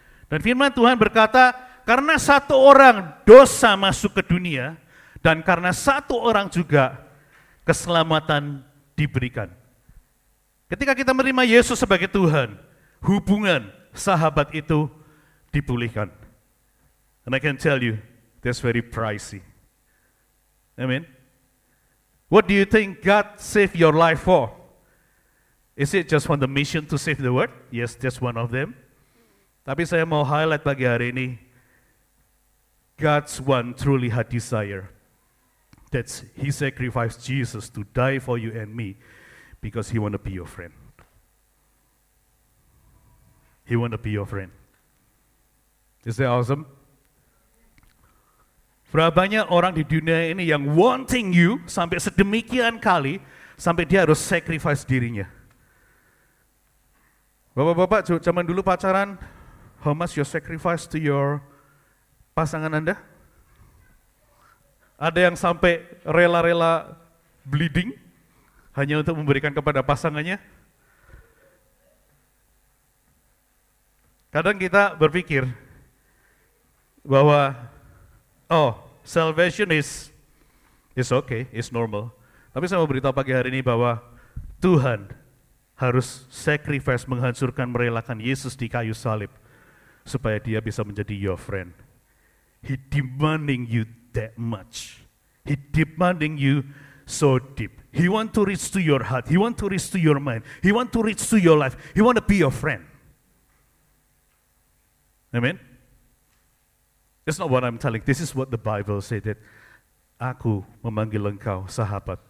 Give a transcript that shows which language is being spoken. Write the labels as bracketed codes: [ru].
[id] Dan firman Tuhan berkata, karena satu orang dosa masuk ke dunia, dan karena satu orang juga keselamatan diberikan. Ketika kita menerima Yesus sebagai Tuhan, hubungan sahabat itu dipulihkan. [en] And I can tell you, that's very pricey. Amen. What do you think God saved your life for? Is it just for the mission to save the world? Yes, that's one of them. [id] Tapi saya mau highlight pagi hari ini, [en] God's one truly heart desire, that he sacrificed Jesus to die for you and me because he want to be your friend. He want to be your friend. Is that awesome? [id] Berapa banyak orang di dunia ini yang [en] wanting you [id] sampai sedemikian kali sampai dia harus sacrifice dirinya. Bapak-bapak, zaman dulu pacaran, [en] how much you sacrifice to your [id] pasangan Anda? Ada yang sampai rela-rela bleeding hanya untuk memberikan kepada pasangannya? Kadang kita berpikir bahwa, oh, [en] salvation is okay, is normal. [id] Tapi saya mau beritahu pagi hari ini bahwa Tuhan harus sacrifice, menghancurkan, merelakan Yesus di kayu salib supaya dia bisa menjadi [en] your friend. He demanding you that much. He demanding you so deep. He want to reach to your heart. He want to reach to your mind. He want to reach to your life. He want to be your friend. Amen. That's not what I'm telling. This is what the Bible said, that [id] aku memanggil engkau sahabat.